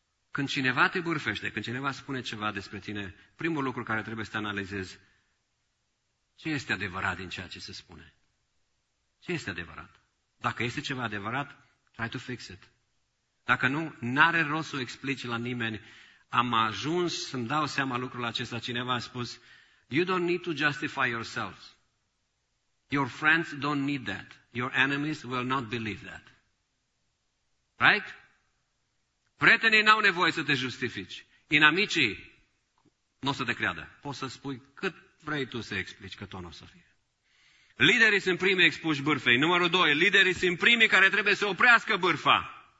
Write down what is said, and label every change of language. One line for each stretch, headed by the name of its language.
Romanian: Când cineva te bârfește, când cineva spune ceva despre tine, primul lucru care trebuie să te analizezi, ce este adevărat din ceea ce se spune? Ce este adevărat? Dacă este ceva adevărat,
English: try to fix it.
Romanian: Dacă nu, n-are rost să o explici la nimeni. Am ajuns să-mi dau seama lucrul acesta, cineva a spus...
English: You don't need to justify yourselves. Your friends don't need that. Your enemies will not believe that. Right?
Romanian: Prietenii n-au nevoie să te justifici. Inamicii, nu o să te creadă. Poți să spui cât vrei tu să explici că tot n-o să fie. Liderii sunt primii expuși bârfei. Numărul 2. Liderii sunt primii care trebuie să oprească bârfa.